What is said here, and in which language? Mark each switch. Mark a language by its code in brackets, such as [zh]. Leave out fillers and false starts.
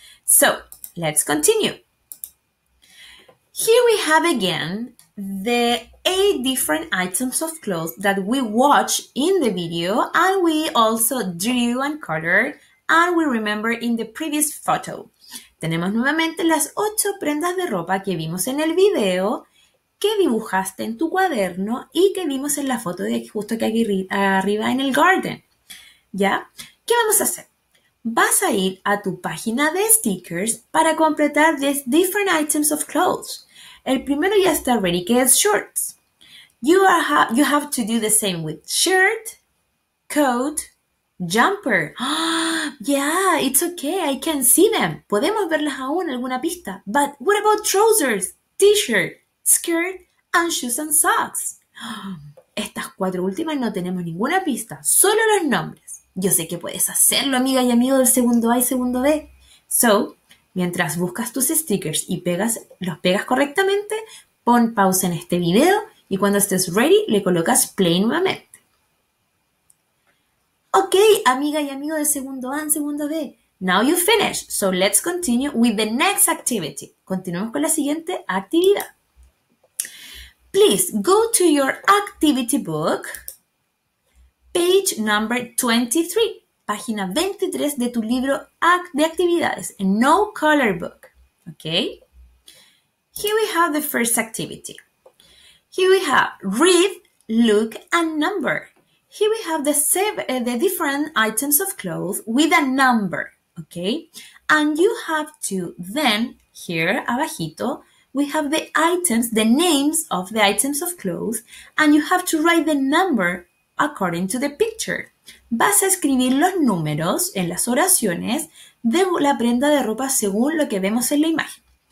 [en] So, let's continue. Here we have again the eight different items of clothes that we watch in the video and we also drew and colored and we remember in the previous photo. [es] Tenemos nuevamente las ocho prendas de ropa que vimos en el video, que dibujaste en tu cuaderno y que vimos en la foto de aquí, justo aquí arriba en el garden. ¿Ya? ¿Qué vamos a hacer? Vas a ir a tu página de stickers para completar [en] these different items of clothes. [es] El primero ya está ready, que es shorts. [en] You have to do the same with shirt, coat, jumper. Oh, yeah, it's okay, I can see them. [es] Podemos verlas aún, alguna pista. [en] But what about trousers, t-shirt, skirt, and shoes and socks? [es] Oh, estas cuatro últimas no tenemos ninguna pista, solo los nombres. Yo sé que puedes hacerlo, amiga y amigo del segundo A y segundo B. So, mientras buscas tus stickers y los pegas correctamente, Pon pausa en este video y cuando estés ready le colocas play nuevamente. Ok, amiga y amigo de segundo A and segundo B. [en] Now you finish, so let's continue with the next activity. [es] Continuemos con la siguiente actividad. [en] Please go to your activity book, page number 23, [es] página 23 de tu libro de actividades, [en] a no color book, okay? Here we have the first activity. Here we have read, look, and number. Here we have the different items of clothes with a number, okay? And you have to then, here [es] abajito, [en] we have the items, the names of the items of clothes, and you have to write the number according to the picture. [es] Vas a escribir los números en las oraciones de la prenda de ropa según lo que vemos en la imagen.